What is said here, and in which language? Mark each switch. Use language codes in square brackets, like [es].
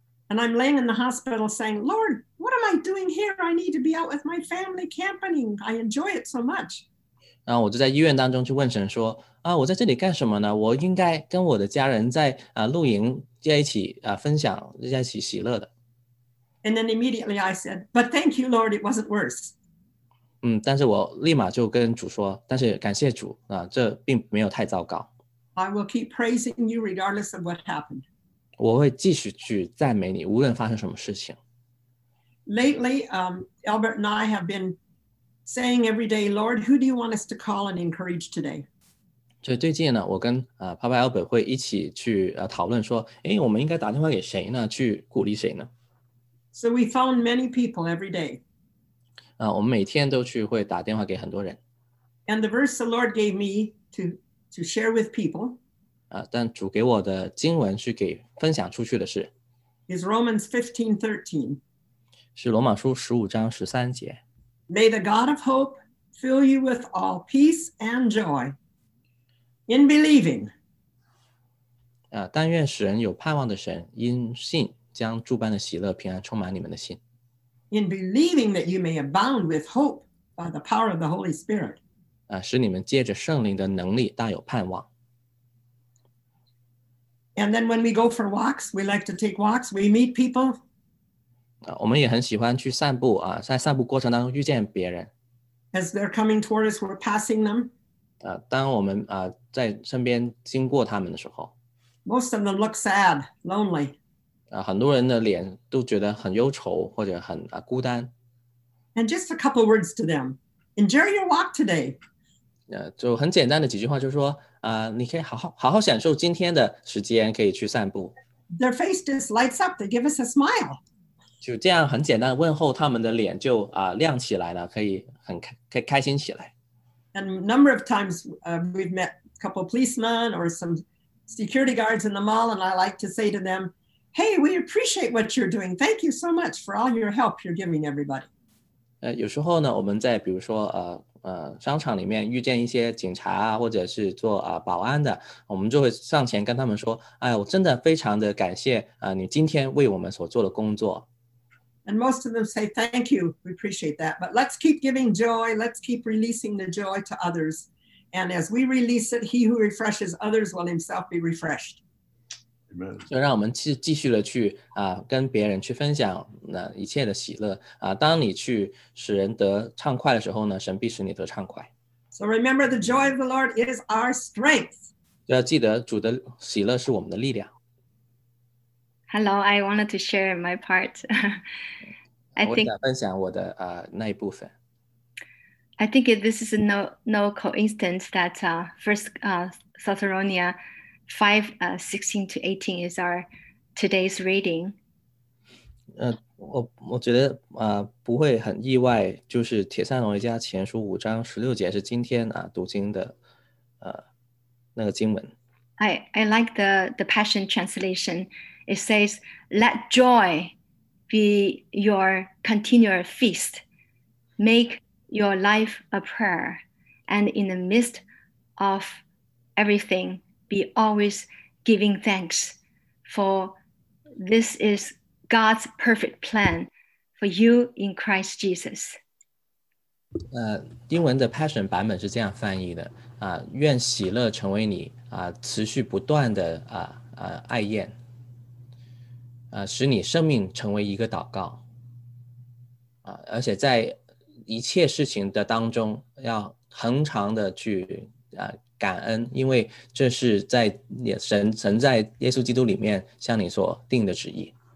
[en] And I'm laying in the hospital saying, Lord, what am I doing here? I need to be out with my family camping. I enjoy it so much. [zh] 然后我就在医院当中去问神说，我在这里干什么呢？我应该跟我的家人在露营在一起分享在一起喜乐的。 [en] And then immediately I said, but thank you, Lord, it wasn't worse. [zh] 但是我立马就跟主说，但是感谢主这并没有太糟糕。 [en] I will keep praising you regardless of what happened. [zh] 我会继续去赞美你，无论发生什么事情。 [en] Lately, Albert and I have been saying every day, Lord, who do you want us to call and encourage today? [zh] 就最近呢，我跟Papa Albert会一起去讨论说，我们应该打电话给谁呢？去鼓励谁呢？ [en] So we phone many people every day. [zh] 我们每天都去会打电话给很多人。 [en] And the verse the Lord gave me to share with people. [zh] 但主给我的经文是给分享出去的是。 [en] Is Romans 15:13. [zh] 是罗马书15:13. [en] May the God of hope fill you with all peace and joy. In believing. [zh] 但愿使人有盼望的神，因信将诸般的喜乐平安充满你们的心。 [en] In believing that you may abound with hope by the power of the Holy Spirit. [zh] 使你们借着圣灵的能力大有盼望。 [en] And then when we go for walks, we like to take walks, we meet people. [zh] 我们也很喜欢去散步在散步过程当中遇见别人。 [en] As they're coming toward us, we're passing them. [zh] 当我们在身边经过他们的时候， [en] most of them look sad, lonely. [zh] 很多人的脸都觉得很忧愁或者很孤单。 [en] And just a couple words to them, enjoy your walk today. [zh] 就很简单的几句话，就是说你可以好好享受今天的时间，可以去散步。 [en] Their face just lights up. They give us a smile. [zh] 就这样很简单的问候，他们的脸就亮起来了，可以很可以开心起来。 [en] And a number of times we've met a couple of policemen or some security guards in the mall, and I like to say to them, hey, we appreciate what you're doing. Thank you so much for all your help you're giving everybody. [zh] 有时候呢，我们在比如说商场里面遇见一些警察或者是做保安的，我们就会上前跟他们说，哎，我真的非常的感谢你今天为我们所做的工作。 [en] And most of them say, thank you, we appreciate that. But let's keep giving joy, let's keep releasing the joy to others. And as we release it, he who refreshes others will himself be refreshed. Amen. [zh] 就让我们继续的去跟别人去分享那一切的喜乐。当你去使人得畅快的时候呢，神必使你得畅快。 [en] So remember, the joy of the Lord is our strength. [zh] 就要记得主的喜乐是我们的力量。 [en] Hello, I wanted to share my part. I think this is no coincidence that first Thessalonians 5, 16 to 18 is our today's reading. [zh] 我觉得不会很意外，就是帖撒罗尼迦前书5:16是今天读经的那个经文。 [en] I like the Passion Translation. It says, let joy be your continual feast. Make your life a prayer. And in the midst of everything, be always giving thanks, for this is God's perfect plan for you in Christ Jesus. [zh] 英文的 Passion 版本是这样翻译的，愿喜乐成为你持续不断的爱宴，使你生命成为一个祷告，而且在一切事情的当中要恒常的去感恩，因为这是在神在耶稣基督里面向你所定的旨意。